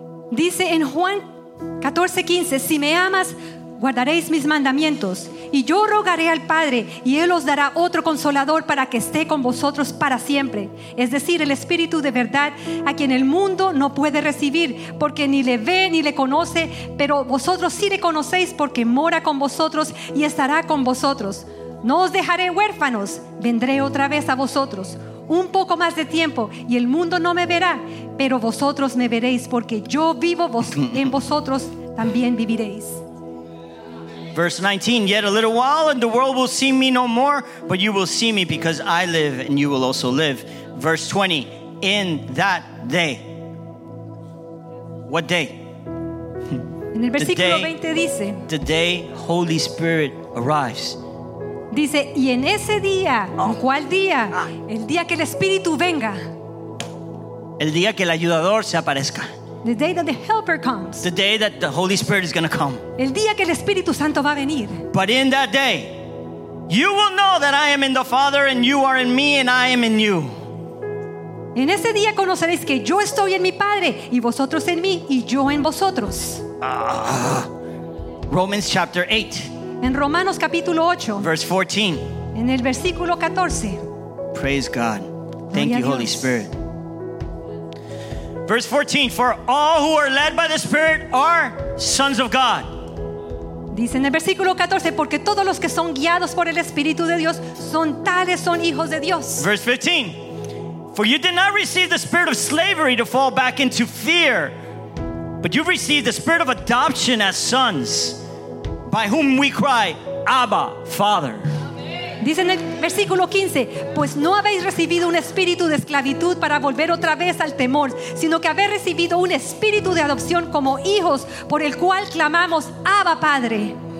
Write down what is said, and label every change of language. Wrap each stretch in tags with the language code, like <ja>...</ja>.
<es>Dice en Juan 14:15, si me amas, guardaréis mis mandamientos, y yo rogaré al Padre, y Él os dará otro Consolador para que esté con vosotros para siempre, es decir, el Espíritu de verdad, a quien el mundo no puede recibir, porque ni le ve ni le conoce, pero vosotros sí le conocéis, porque mora con vosotros y estará con vosotros. No os dejaré huérfanos, vendré otra vez a vosotros, un poco más de tiempo, y el mundo no me verá, pero vosotros me veréis, porque yo vivo, en vosotros también viviréis.</es> <en>Verse 19, yet a little while and the world will see me no more, but you will see me because I live and you will also live. Verse 20, in that day. What day?</en> <es>En el versículo 20 dice,</es> <en>the day Holy Spirit arrives.</en> <es>Dice, y en ese día, oh. ¿Cuál día? Ah. El día que el Espíritu venga. El día que el ayudador se aparezca.</es> <en>The day that the helper comes. The day that the Holy Spirit is going to come.</en> <es>El día que el Espíritu Santo va a venir.</es> <en>But in that day, you will know that I am in the Father and you are in me and I am in you.</en> <es>En ese día conoceréis que yo estoy en mi Padre y vosotros en mí y yo en vosotros.</es> <en>Romans chapter 8.</en> <es>En Romanos capítulo 8.</es> <en>Verse 14.</en> <es>En el versículo 14.</es> <en>Praise God. Thank you, Holy Spirit. Verse 14, for all who are led by the Spirit are sons of God.</en> <es>Dice en el versículo 14, porque todos los que son guiados por el Espíritu de Dios son tales, son hijos de Dios.</es> <en>Verse 15, for you did not receive the spirit of slavery to fall back into fear, but you received the spirit of adoption as sons, by whom we cry, Abba, Father.</en> <es>Dice en el versículo 15, pues no habéis recibido un espíritu de esclavitud para volver otra vez al temor, sino que habéis recibido un espíritu de adopción como hijos, por el cual clamamos Abba Padre.</es>